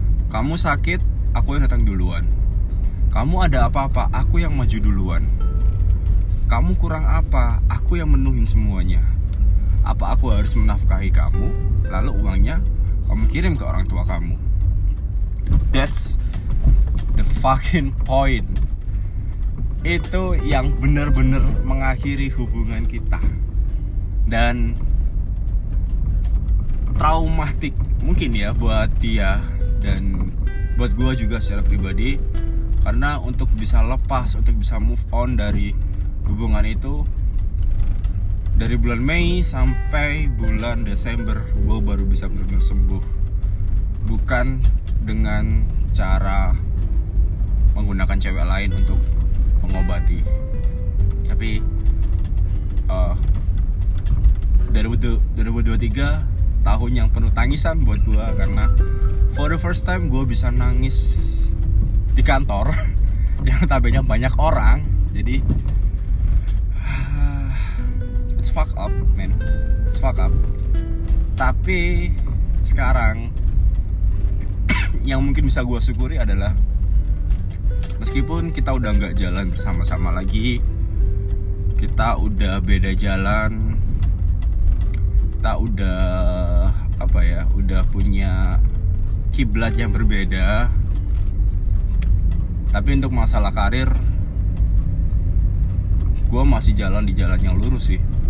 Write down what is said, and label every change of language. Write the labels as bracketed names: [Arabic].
[Indonesian] Kamu sakit, aku yang datang duluan. Kamu ada apa-apa, aku yang maju duluan. Kamu kurang apa, aku yang menuhin semuanya. Apa aku harus menafkahi kamu, lalu uangnya kamu kirim ke orang tua kamu? [English] That's the fucking point. [Indonesian] Itu yang benar-benar mengakhiri hubungan kita. Dan traumatik mungkin ya buat dia dan buat gue juga secara pribadi, karena untuk bisa lepas, untuk bisa move on dari hubungan itu, dari bulan Mei sampai bulan Desember gue baru bisa benar-benar sembuh. Bukan dengan cara menggunakan cewek lain untuk mengobati, tapi dari 2023 tahun yang penuh tangisan buat gue, karena [English] for the first time [Indonesian] gue bisa nangis di kantor yang tabenya banyak orang. Jadi [English] it's fuck up man, it's fuck up. [Indonesian] Tapi sekarang yang mungkin bisa gue syukuri adalah meskipun kita udah gak jalan bersama-sama lagi, kita udah beda jalan, kita udah apa ya, udah punya kiblat yang berbeda, tapi untuk masalah karir gue masih jalan di jalan yang lurus sih.